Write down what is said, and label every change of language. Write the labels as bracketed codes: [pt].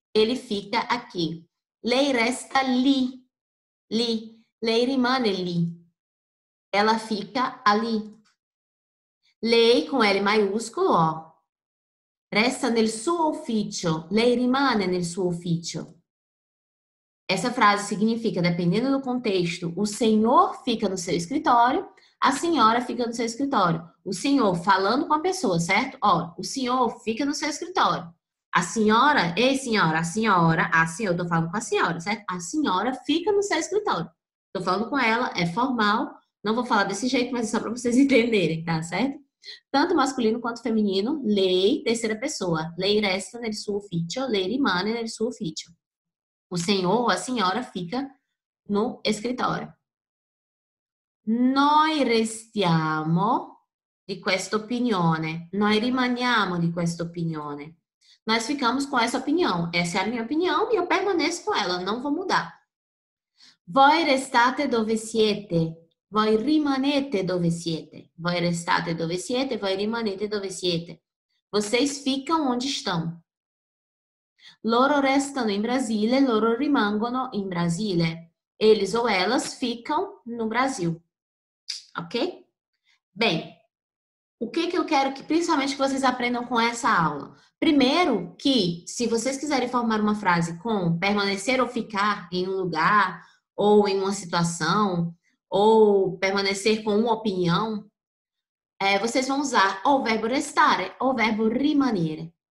[pt] Ele fica aqui. [it] Lei resta lì. Lì. Lei rimane lì. [pt] Ela fica ali. Lei com L maiúsculo, ó. [it] Resta nel suo ufficio. Lei rimane nel suo ufficio. [pt] Essa frase significa, dependendo do contexto, o senhor fica no seu escritório, a senhora fica no seu escritório. O senhor falando com a pessoa, certo? Ó, o senhor fica no seu escritório. A senhora, ei senhora, a senhora, a senhora, eu tô falando com a senhora, certo? A senhora fica no seu escritório. Tô falando com ela, é formal. Não vou falar desse jeito, mas é só para vocês entenderem, tá certo? Tanto masculino quanto feminino, lei, terceira pessoa. [it] Lei resta nel suo ufficio, lei rimane nel suo ufficio. [pt] O senhor ou a senhora fica no escritório. [it] Noi restiamo di questa opinione. Noi rimaniamo di questa opinione. [pt] Nós ficamos com essa opinião. Essa é a minha opinião e eu permaneço com ela, não vou mudar. [it] Voi restate dove siete. Voi rimanete dove siete. Voi restate dove siete. Voi rimanete dove siete. [pt] Vocês ficam onde estão. [it] Loro restano in Brasile. Loro rimangono in Brasile. [pt] Eles ou elas ficam no Brasil. Ok? Bem, o que que eu quero que, principalmente, que vocês aprendam com essa aula? Primeiro, que se vocês quiserem formar uma frase com permanecer ou ficar em um lugar ou em uma situação, ou permanecer com uma opinião, vocês vão usar ou o verbo restare ou o verbo rimanere.